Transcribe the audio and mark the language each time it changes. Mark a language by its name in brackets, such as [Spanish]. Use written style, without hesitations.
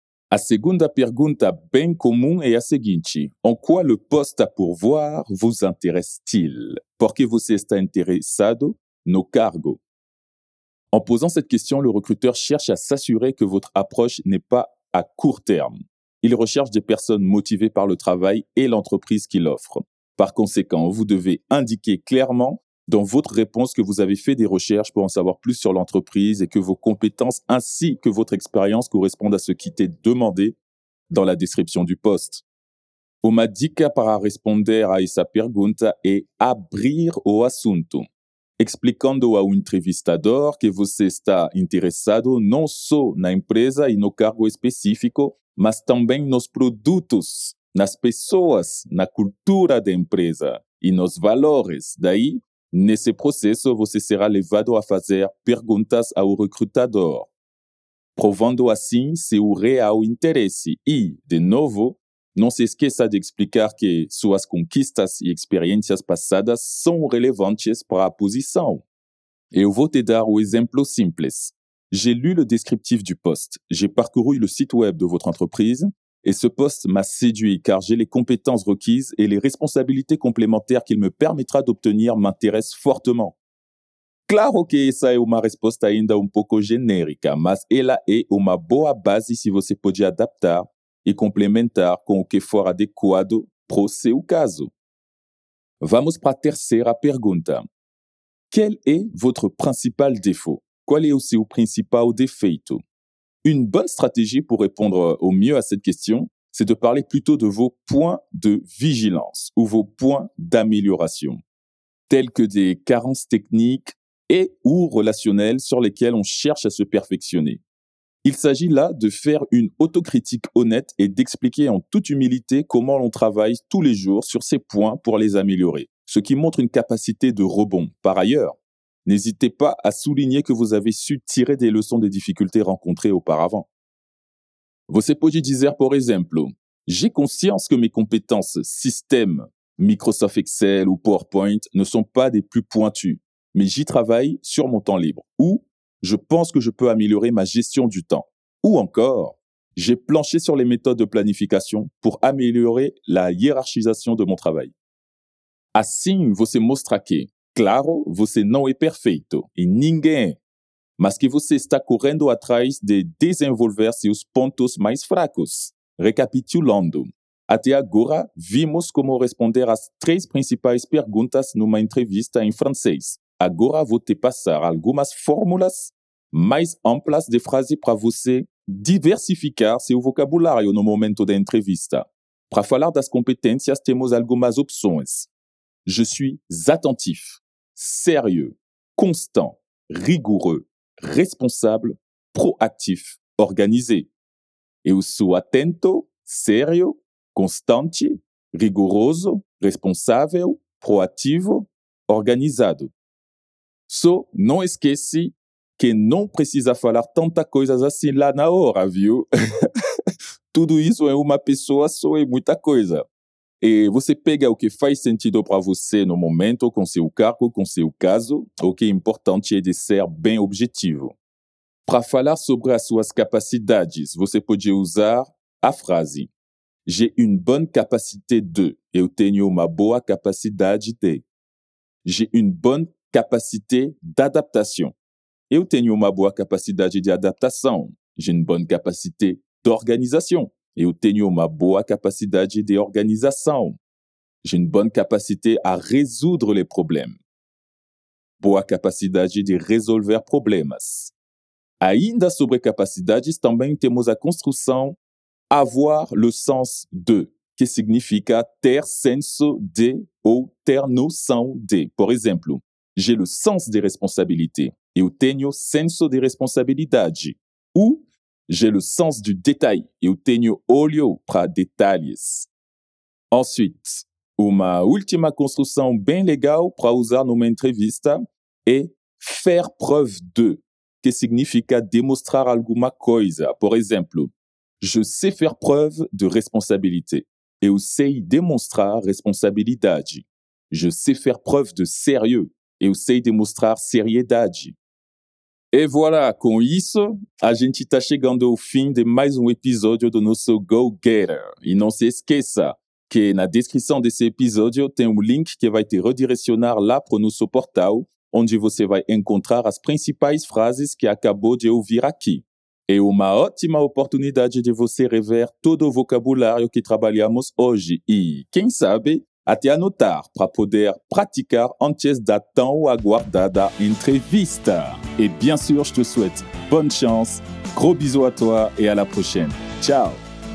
[Portuguese] A segunda pergunta bem comum é a seguinte. [French] En quoi le poste à pourvoir vous intéresse-t-il? [Portuguese] Por que você está interessado no cargo? [French] En posant cette question, le recruteur cherche à s'assurer que votre approche n'est pas à court terme. Il recherche des personnes motivées par le travail et l'entreprise qu'il offre. Par conséquent, vous devez indiquer clairement dans votre réponse que vous avez fait des recherches pour en savoir plus sur l'entreprise et que vos compétences ainsi que votre expérience correspondent à ce qui t'est demandé dans la description du poste. [Portuguese] Uma dica para responder a essa pergunta é abrir o assunto. explicando ao entrevistador que você está interessado não só na empresa e no cargo específico, mas também nos produtos, nas pessoas, na cultura da empresa e nos valores. Daí, nesse processo, você será levado a fazer perguntas ao recrutador, provando assim seu real interesse. E, de novo, não se esqueça de explicar que suas conquistas e experiências passadas são relevantes para a posição. Eu vou te dar um exemplo simples. [French] J'ai lu le descriptif du poste, j'ai parcouru le site web de votre entreprise et ce poste m'a séduit car j'ai les compétences requises et les responsabilités complémentaires qu'il me permettra d'obtenir m'intéressent fortement. [Portuguese] Claro que essa é uma resposta ainda pouco genérica, mas ela é uma boa base se você pode adaptar e complementar com o que for adequado pro seu caso. Vamos para a terceira pergunta. [French] Quel est votre principal défaut? [Portuguese] Qual é o seu principal defeito? [French] Une bonne stratégie pour répondre au mieux à cette question, c'est de parler plutôt de vos points de vigilance ou vos points d'amélioration, tels que des carences techniques et ou relationnelles sur lesquelles on cherche à se perfectionner. Il s'agit là de faire une autocritique honnête et d'expliquer en toute humilité comment l'on travaille tous les jours sur ces points pour les améliorer, ce qui montre une capacité de rebond. Par ailleurs, n'hésitez pas à souligner que vous avez su tirer des leçons des difficultés rencontrées auparavant. [Portuguese] Você pode dizer, por exemplo, [French] j'ai conscience que mes compétences système, Microsoft Excel ou PowerPoint ne sont pas des plus pointues, mais j'y travaille sur mon temps libre. Ou, je pense que je peux améliorer ma gestion du temps. Ou encore, j'ai planché sur les méthodes de planification pour améliorer la hiérarchisation de mon travail. [Portuguese] Assim, você mostra que, claro, você não é perfeito, e ninguém, mas que você está correndo atrás de desenvolver seus pontos mais fracos. Recapitulando, até agora vimos como responder às três principais perguntas numa entrevista em francês. Agora vou te passar algumas fórmulas mais amplas de frase para você diversificar seu vocabulário no momento da entrevista. Para falar das competências, temos algumas opções. [French] Je suis attentif, sérieux, constant, rigoureux, responsable, proactif, organisé. [Portuguese] Eu sou atento, sério, constante, rigoroso, responsável, proativo, organizado. Só não esquece que não precisa falar tanta coisa assim lá na hora, viu? Tudo isso é uma pessoa só e muita coisa. E você pega o que faz sentido para você no momento, com seu cargo, com seu caso. O que é importante é de ser bem objetivo. Para falar sobre as suas capacidades, você pode usar a frase: [French] j'ai une bonne capacité de. [Portuguese] Eu tenho uma boa capacidade de. [French] J'ai une bonne capacité d'adaptation. [Portuguese] Eu tenho uma boa capacidade de adaptação. [French] J'ai une bonne capacité d'organisation. [Portuguese] Eu tenho uma boa capacidade de organização. [French] J'ai une bonne capacité à résoudre les problèmes. [Portuguese] Boa capacidade de resolver problemas. Ainda sobre capacidades, também temos a construção [French] avoir le sens de, [Portuguese] que significa ter senso de ou ter noção de. Por exemplo, [French] j'ai le sens des responsabilités. [Portuguese] Eu tenho senso de responsabilidade. Ou [French] j'ai le sens du détail. [Portuguese] Eu tenho olho para detalhes. Ensuite, uma última construção bem legal para usar numa entrevista é [French] faire preuve de, [Portuguese] que significa demonstrar alguma coisa. Por exemplo, [French] je sais faire preuve de responsabilité. [Portuguese] Eu sei demonstrar responsabilidade. [French] Je sais faire preuve de sérieux. [Portuguese] Eu sei demonstrar seriedade. E voilà, com isso, a gente está chegando ao fim de mais episódio do nosso Go Getter. E não se esqueça que na descrição desse episódio tem link que vai te redirecionar lá para o nosso portal, onde você vai encontrar as principais frases que acabou de ouvir aqui. É uma ótima oportunidade de você rever todo o vocabulário que trabalhamos hoje e, quem sabe, até anotar para poder praticar antes da tão aguardada entrevista. [French] Et bien sûr, je te souhaite bonne chance, gros bisous à toi et à la prochaine. Ciao!